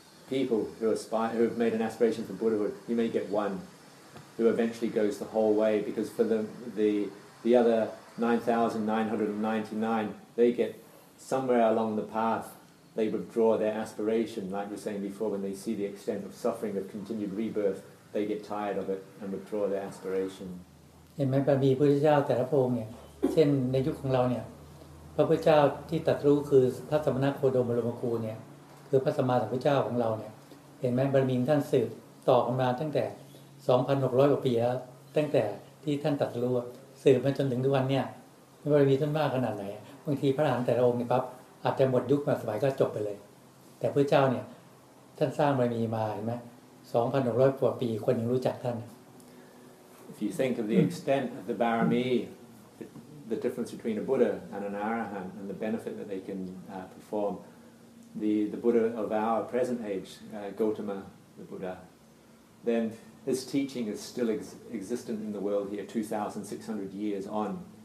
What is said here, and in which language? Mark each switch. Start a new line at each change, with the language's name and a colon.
English: people who aspire, who have made an aspiration for Buddhahood, you may get one who eventually goes the whole way, because for the other 9,999, they get somewhere along the path, they withdraw their aspiration, like we were saying before, when they see the extent of suffering of continued rebirth, they get tired of it and withdraw their aspiration.
Thai: เห็นไหมบารมีพระพุทธเจ้าแต่ละพระองค์เนี่ยเช่นในยุคของเราเนี่ยพระพุทธเจ้าที่ตรัสรู้คือพระสัมมาสัมพุทธเจ้าคือเนี่ยคือพระสัมมาสัมพุทธเจ้าของเราเนี่ยเห็นไหมบารมีท่านสืบต่อกันมาตั้งแต่ 2,600 กว่าปีแล้วตั้งแต่ที่ท่านตรัสรู้สืบมาจนถึงทุกวันเนี่ยบารมีท่านมากขนาดไหนบางทีพระอรหันต์แต่ละองค์เนี่ยปั๊บอาจจะหมดยุคมาสมัยก็จบไปเลยแต่พระเจ้าเนี่ยท่านสร้างบารมีมาเห็นไหม 2,600 กว่าปีคนยังรู้จักท่าน
English: If you think of the extent of the barami, the difference between a Buddha and an Arahant and the benefit that they can perform, the Buddha of our present age, Gautama, the Buddha, then his teaching is still existent in the world here 2,600 years on.